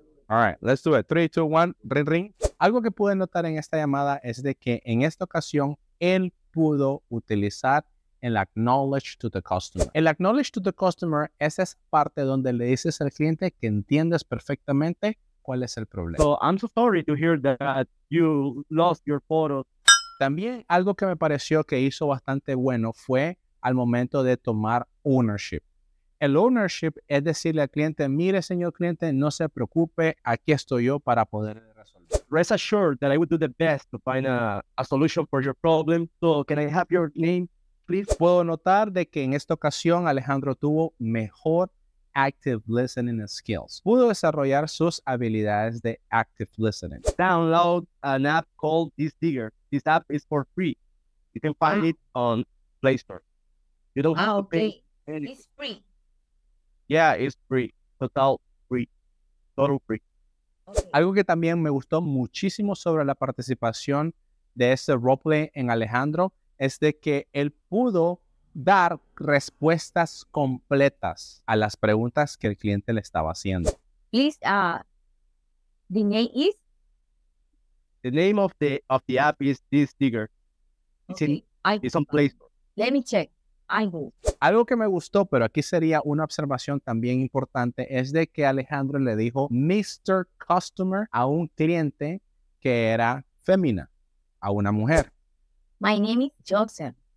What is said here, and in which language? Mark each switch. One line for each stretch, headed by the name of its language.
English: All right, let's do it. 3, 2, 1, ring, ring.
Spanish: Algo que pude notar en esta llamada es de que en esta ocasión, él pudo utilizar el acknowledge to the customer. El acknowledge to the customer es esa parte donde le dices al cliente que entiendes perfectamente cuál es el problema.
English: So, I'm so sorry to hear that you lost your photo.
Spanish: También algo que me pareció que hizo bastante bueno fue al momento de tomar ownership. el ownership es decirle al cliente, mire, señor cliente, no se preocupe, aquí estoy yo para poder resolver.
English: Rest assured that I would do the best to find a solution for your problem. So, can I have your name, please?
Spanish: Puedo notar de que en esta ocasión Alejandro tuvo mejor active listening skills. Pudo desarrollar sus habilidades de active listening.
English: Download an app called This Digger. This app is for free. You can find it on Play Store. You don't have to pay. Anything. It's free. Yeah, it's free. Total free. Total free. Okay.
Spanish: Algo que también me gustó muchísimo sobre la participación de este roleplay en Alejandro es de que él pudo dar respuestas completas a las preguntas que el cliente le estaba haciendo.
English: Please, the name is? The name of the app is This Digger. Okay. It's on Play Store. Let me check. I will.
Spanish: Algo que me gustó, pero aquí sería una observación también importante, es de que Alejandro le dijo Mr. Customer a un cliente que era fémina, a una mujer.
English: My name is Joseph.